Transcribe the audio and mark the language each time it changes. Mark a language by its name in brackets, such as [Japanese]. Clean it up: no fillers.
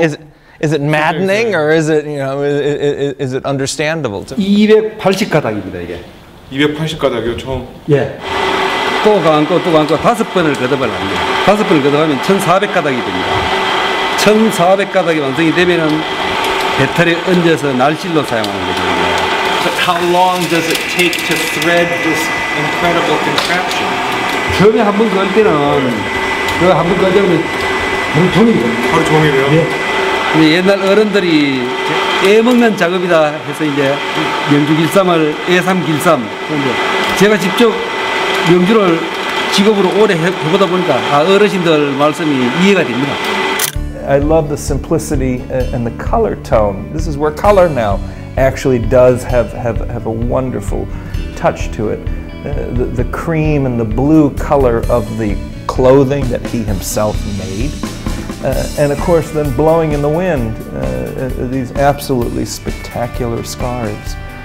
[English] Is it maddening or is it, you know, is it understandable? [Korean] 280 가닥입니다 이게. 280 가닥이요 처음. 예. 또 감고 또 감고 다섯 번을 거듭을 합니다. 다섯 번을 거듭하면 1,400 가닥이 됩니다. 1,400 가닥이 완성이 되면은. 배터리 얹어서 날실로 사용하는 거죠. [English] how long does it take to thread this incredible contraption? [Korean] 처음에 한번 걸 때는 그 한번 걸 때는 하루 종일이요. 하루 종일이요? 예. 근데 옛날 어른들이 애 먹는 작업이다 해서 이제 명주길쌈을 애삼길쌈 그런데 제가 직접 명주를 직업으로 오래 해보다 보니까 아 어르신들 말씀이 이해가 됩니다. [English] I love the simplicity and the color tone. This is where color now actually does have a wonderful touch to it. The cream and the blue color of the clothing that he himself made. And of course then blowing in the wind, these absolutely spectacular scarves.